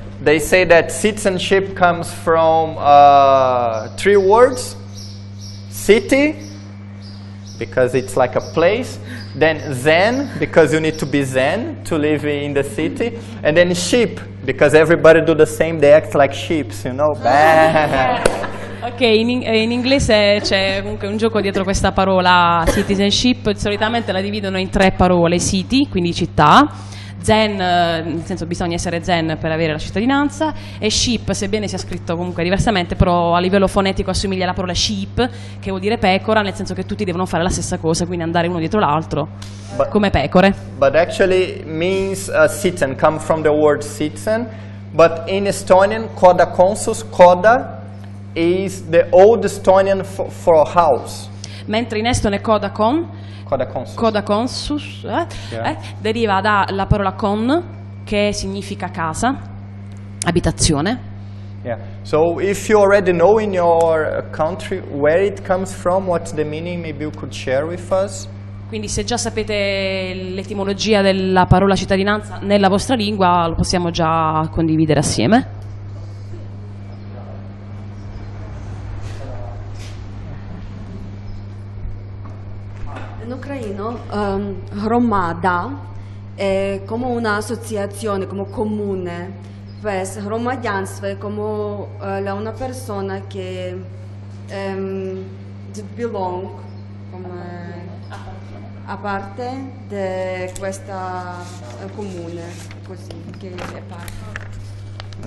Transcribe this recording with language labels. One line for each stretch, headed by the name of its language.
English: They say that citizenship comes from three words: city, because it's like a place, then zen, because you need to be zen to live in the city, and then sheep, because everybody do the same, they act like sheep, you know.
Italian: Ok, in inglese c'è comunque un gioco dietro questa parola citizenship. Solitamente la dividono in tre parole: city, quindi città, zen, nel senso bisogna essere zen per avere la cittadinanza, e sheep, sebbene sia scritto comunque diversamente, però a livello fonetico assomiglia alla parola sheep, che vuol dire pecora, nel senso che tutti devono fare la stessa cosa, quindi andare uno dietro l'altro, but, come pecore.
English: But actually means citizen, come from the word citizen, but in Estonian, koda konsus, koda is the old Estonian for a house.
Italian: Mentre in estone koda kon,
Estonian: Koda consus,
Italian: deriva dalla parola con, che significa casa, abitazione.
English: Yeah. So if you already know in your country where it comes from, what's the meaning, maybe you could share with us.
Italian: Quindi se già sapete l'etimologia della parola cittadinanza nella vostra lingua, lo possiamo già condividere assieme. In Ucraino, громада è come un'associazione, come comune, pues, громадянство è come una persona che belong, come a parte di questa comune, così, che è parte.